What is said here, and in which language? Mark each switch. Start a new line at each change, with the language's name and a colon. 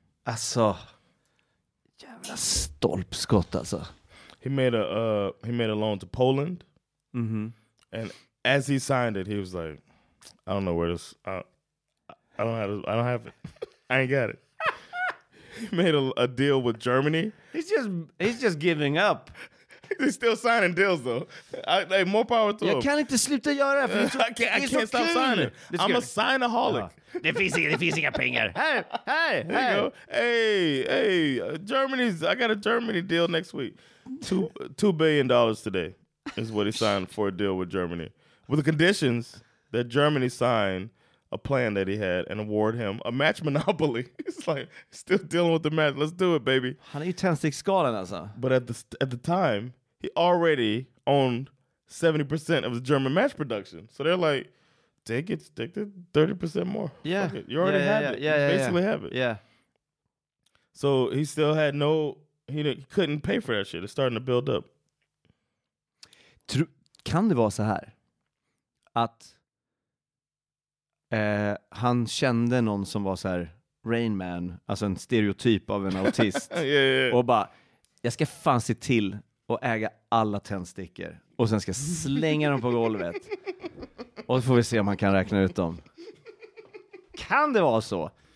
Swedish: Alltså, jävla stolpskott alltså.
English: He made a loan to Poland. Mm-hmm. And as he signed it, he was like, I don't know where this, I don't have it. I ain't got it. He made a deal with Germany. He's just giving up. He's still signing deals though. Like, more power to
Swedish: jag
English: him.
Swedish: Jag kan inte sluta göra det.
English: I can't stop signing. Let's I'm a signaholic.
Swedish: Det finns inga pengar. Hey.
English: Hey, Germany's, I got a Germany deal next week. $2 billion today. Is what he signed for a deal with Germany. With the conditions that Germany signed a plan that he had and award him a match monopoly. He's like, still dealing with the match. Let's do it, baby.
Swedish: Han är ju tändstickskalen alltså.
English: But at the time, he already owned 70% of the German match production. So they're like, take it 30% more. Yeah. Fuck it. You already have it. Yeah, you basically have it. Yeah. So he still had no, he couldn't pay for that shit. It's starting to build up.
Swedish: Kan det vara så här att han kände någon som var så här Rain Man, alltså en stereotyp av en autist.
English: Yeah.
Swedish: Och bara, jag ska fan se till att äga alla tändstickor och sen ska slänga dem på golvet och så får vi se om man kan räkna ut dem. Kan det vara så?